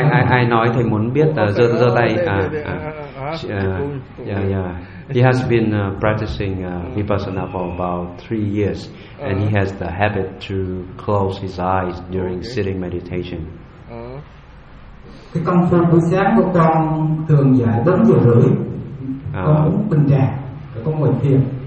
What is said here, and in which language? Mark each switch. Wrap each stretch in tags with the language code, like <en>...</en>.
<vi>Ai nói thầy muốn biết giơ tay.</vi> <en>He has been practicing Vipassana for about 3 years and he has the habit to close his eyes during sitting meditation.</en> <vi>Cái công phu buổi sáng của con thường dậy 4:30, con uống bình trà, con ngồi thiền.</vi>